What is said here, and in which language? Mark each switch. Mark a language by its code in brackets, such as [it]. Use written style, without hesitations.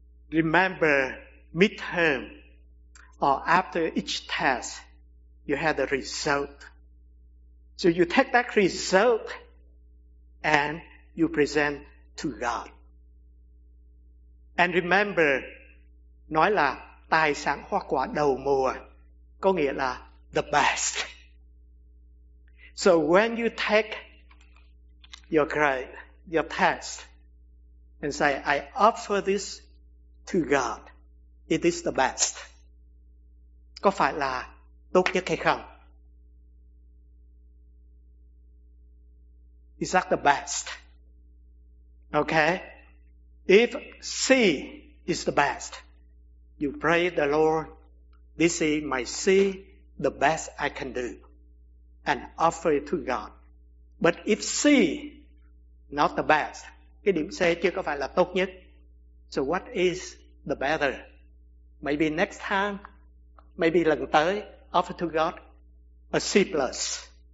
[en] Remember, midterm or after each test, you have the result. So you take that result and you present to God. And remember, [vi] nói là tài sản hoa quả đầu mùa, có nghĩa là [en] the best. So when you take your grade, your test, and say, I offer this to God, it is the best. [vi] Có phải là tốt nhất hay không? [en] Is that the best? Okay? If C is the best, you pray the Lord, this is my C, the best I can do, and offer it to God. But if C, not the best, [vi] cái điểm C chưa có phải là tốt nhất, [en] so what is the better? Maybe next time, maybe [vi] lần tới, [en] offer to God a C plus.